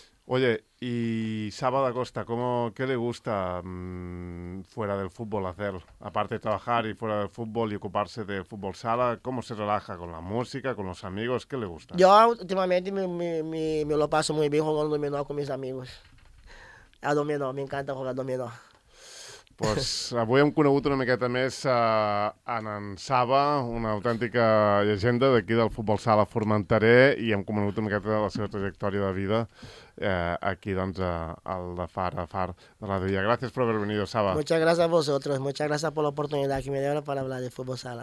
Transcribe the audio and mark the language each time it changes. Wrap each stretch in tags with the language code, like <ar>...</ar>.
<es>Oye, y Sábado Acosta, ¿qué le gusta fuera del fútbol hacer? Aparte de trabajar y fuera del fútbol y ocuparse del fútbol sala, ¿cómo se relaja? ¿Con la música, con los amigos? ¿Qué le gusta? Yo últimamente me lo paso muy bien jugando dominó con mis amigos. A dominó, me encanta jugar dominó.</es> <ca>Pues avui hem conegut una miqueta més en Saba, una autèntica llegenda d'aquí del futbol sala Formentera, i hem conegut una miqueta de la seva trajectòria de vida aquí, doncs, al de Far de la Dilla. Gràcies per haver venit, Saba.</ca> <es>Muchas gracias a vosotros, muchas gracias por la oportunidad que me dieron para hablar de futbol sala.</es>